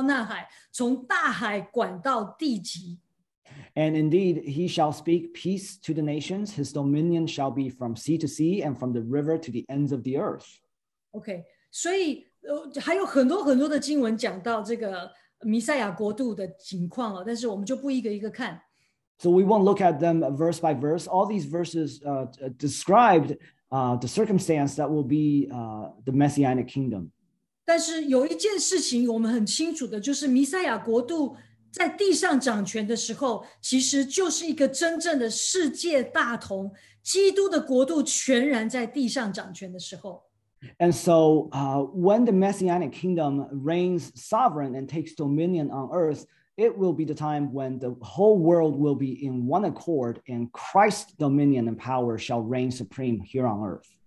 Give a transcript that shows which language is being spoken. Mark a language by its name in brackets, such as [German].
[Chinese] 最后他必向列国讲和平，他的权柄必从这海管到那海，从大海管到地极。 [English] And indeed, he shall speak peace to the nations. His dominion shall be from sea to sea and from the river to the ends of the earth. [Chinese] Okay, 所以还有很多很多的经文讲到这个弥赛亚国度的情况，但是我们就不一个一个看。 [English] So we won't look at them verse by verse. All these verses described the circumstance that will be the Messianic kingdom. [Chinese] 但是有一件事情我们很清楚的就是弥赛亚国度 在地上掌权的时候，其实就是一个真正的世界大同，基督的国度全然在地上掌权的时候。And [English] so, when the Messianic kingdom reigns sovereign and takes dominion on earth, it will be the time when the whole world will be in one accord, and Christ's dominion and power shall reign supreme here on earth.